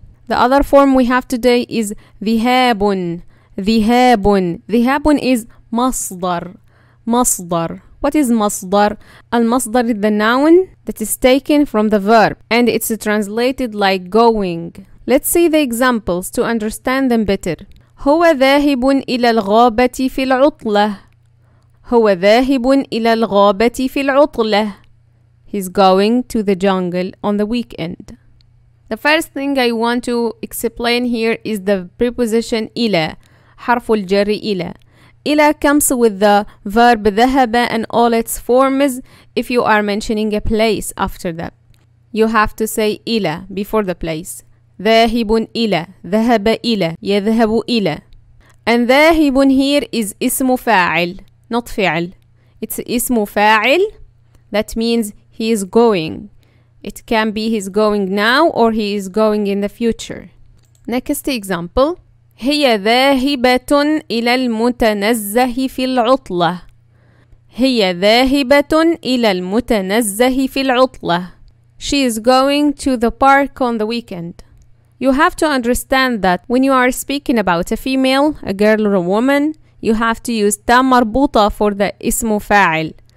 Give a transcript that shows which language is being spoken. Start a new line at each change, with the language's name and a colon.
English: The other form we have today is ذهاب.
Arabic: ذهاب. ذهاب is مصدر. مصدر.
English: What is
Arabic: مصدر?
English: المصدر is the noun that is taken from the verb, and it's translated like going. Let's see the examples to understand them better.
Arabic: هو ذاهب إلى الغابة في العطلة. هو ذاهب إلى الغابة في العطلة.
English: He's going to the jungle on the weekend. The first thing I want to explain here is the preposition إلى.
Arabic: حرف الجر إلى.
English: إلى comes with the verb ذهب and all its forms if you are mentioning a place after that. You have to say إلى before the place.
Arabic: ذاهب إلى ذهب إلى يذهب إلى.
English: And ذاهب here is اسم فاعل, not فعل. It's اسم فاعل. That means he is going. It can be he's going now or he is going in the future. Next example.
Arabic: هي ذاهبة إلى المتنزه في العطلة. هي ذاهبة إلى المتنزه في العطلة.
English: She is going to the park on the weekend. You have to understand that when you are speaking about a female, a girl or a woman, you have to use ta marbuta for the ismu fa'il.